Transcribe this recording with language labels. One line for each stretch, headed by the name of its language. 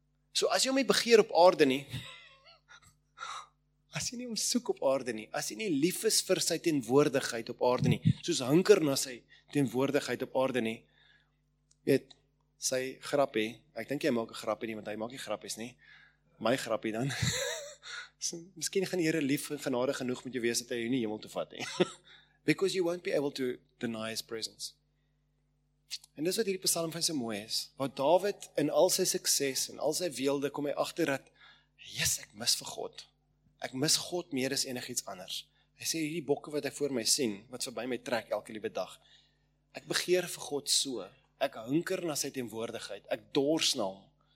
Afrikaans: So as jy hom nie begeer op aarde nie, as jy nie hom soek op aarde nie, as jy nie lief is vir sy teenwoordigheid op aarde nie, soos hunker na sy teenwoordigheid op aarde nie, weet, sy grappie, ek dink jy maak 'n grappie nie, want hy maak nie grappies nie, my grappie dan, so, miskien gaan die Here lief en genade genoeg met jou wees, dat hy jou nie hemel toe vat, he.
English: Because you won't be able to deny his presence.
Afrikaans: En dis wat hierdie psalm van so mooi is, waar David in al sy sukses, en al sy weelde, kom hy achter dat, yes, ek mis vir God. Ek mis God meer as enig iets anders. Hy sê, hierdie bokke wat ek voor my sien, wat verby my trek elke liewe dag, ek begeer vir God so, ek hunker na sy teenwoordigheid, ek dors na hom.